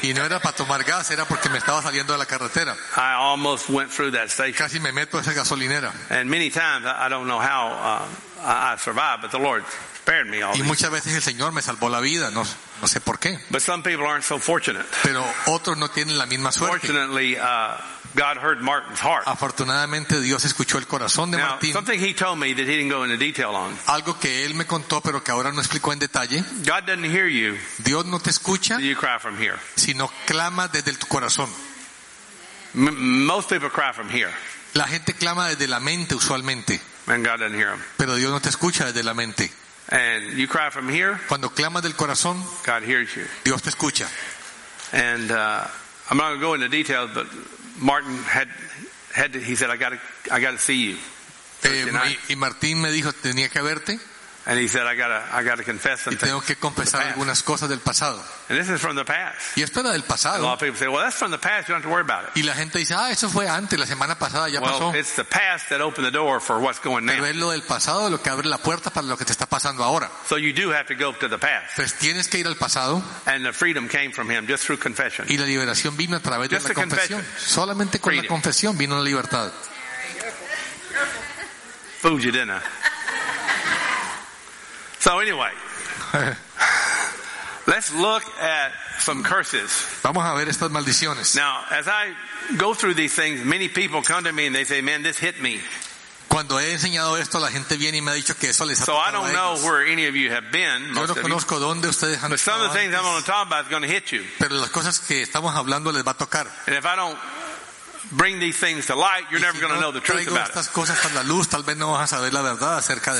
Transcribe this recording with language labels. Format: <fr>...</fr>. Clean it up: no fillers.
<es>Y no era para tomar gas, era porque me estaba saliendo de la carretera.</es> <en>I almost went through that station.</en> <es>Casi me meto a esa gasolinera.</es> <en>And many times I don't know how I survived, but the Lord spared me all.</en> <es>Y muchas veces el Señor me salvó la vida, no, no sé por qué.</es> <en>But some people aren't so fortunate.</en> <es>Pero otros no tienen la misma suerte.</es> <en>Fortunately, God heard Martin's heart.</en> <es>Afortunadamente, Dios escuchó el corazón de Martín.</es> <en>Something he told me that he didn't go into detail on.</en> <es>Algo que él me contó, pero que ahora no explicó en detalle.</es> <en>God doesn't hear you.</en> <es>Dios no te escucha.</es> <en>You cry from here.</en> <es>Sino clama desde tu corazón.</es> <en>Most people cry from here.</en> <es>La gente clama desde la mente usualmente.</es> <en>And God doesn't hear him.</en> <es>Pero Dios no te escucha desde la mente.</es> <en>And you cry from here.</en> <es>Cuando clamas del corazón.</es> <en>God hears you.</en> <es>Dios te escucha.</es> <en>And I'm not going to go into details, but Martin had to, he said I gotta see you.</en> <es>Y Martín me dijo tenía que verte.</es> <en>And he said I gotta confess something.</en> <es>Y tengo que confesar algunas cosas del pasado.</es> <en>And this is from the past.</en> <es>Y esto era del pasado.</es> <en>And a lot of people say, well, that's from the past. You don't have to worry about it.</en> <es>Y la gente dice, eso fue antes, la semana pasada ya</es> <en>well,</en> <es>pasó.</es> <en>Well, it's the past that opened the door for what's going now.</en> <es>Pero es lo del pasado lo que abre la puerta para lo que te está pasando ahora.</es> <en>So you do have to go to the past.</en> <es>Pues tienes que ir al pasado.</es> <en>And the freedom came from him just through confession.</en> <es>Y la liberación vino a través</es> <en>just</en> <es>de la confesión.</es> <en>Confession.</en> <es>Solamente con</es> <en>freedom.</en> <es>La confesión vino la libertad.</es> <en>Fooled you, didn't I? So anyway, let's look at some curses.</en> <es>Vamos a ver estas maldiciones.</es> <en>Now, as I go through these things, many people come to me and they say, "Man, this hit me."</en> <es>Cuando he enseñado esto, la gente viene y me ha dicho que eso les ha tocado.</es> <en>So I don't know where any of you have been.</en> <es>Yo no conozco dónde ustedes han estado.</es> <en>But some of the things I'm going to talk about is going to hit you.</en> <es>Pero las cosas que estamos hablando les va a tocar.</es> <en>And if I don't bring these things to light, you're never going to know the truth about it.</en> <es>Estas cosas a la luz, tal vez no vas a saber la verdad acerca de</es>